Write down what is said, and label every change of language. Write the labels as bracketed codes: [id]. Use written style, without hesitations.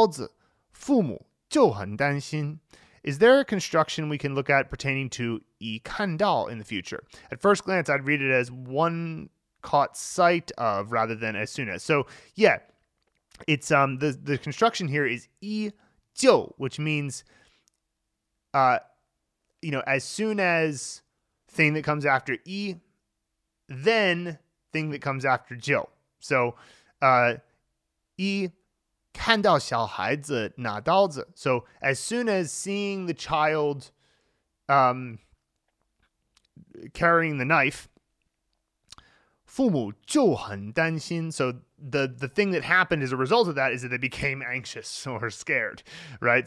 [zh] 一看到小孩子拿刀子，父母就很担心. [en] Is there a construction we can look at pertaining to 一看到 in the future? At first glance, I'd read it as one caught sight of rather than as soon as. So yeah, it's the construction here is 一就, which means... you know, as soon as thing that comes after e, then thing that comes after jiu. [zh] So, 一看到小孩子拿刀子. [en] So as soon as seeing the child, carrying the knife, 父母就很担心. So the thing that happened as a result of that is that they became anxious or scared, right?